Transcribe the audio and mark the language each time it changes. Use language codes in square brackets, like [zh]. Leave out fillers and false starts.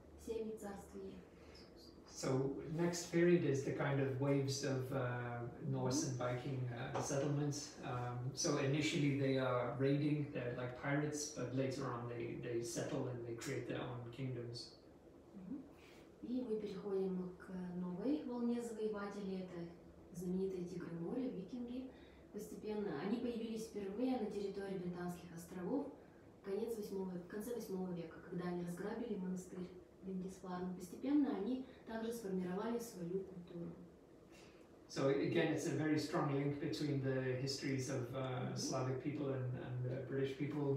[ru] Семи царствия. [en] So next period is the kind of waves of Norse and Viking settlements. So initially they are raiding, they're like pirates, but later on they settle and they create their own kingdoms. [ru] И мы переходим к новой волне завоевателей, это знаменитые Тигры моря, викинги. Постепенно они появились впервые на территории Британских островов в конце 8 века, когда они разграбили монастырь. Постепенно они также сформировали свою культуру. [en] So again, it's a very strong link between the histories of Slavic people and the British people.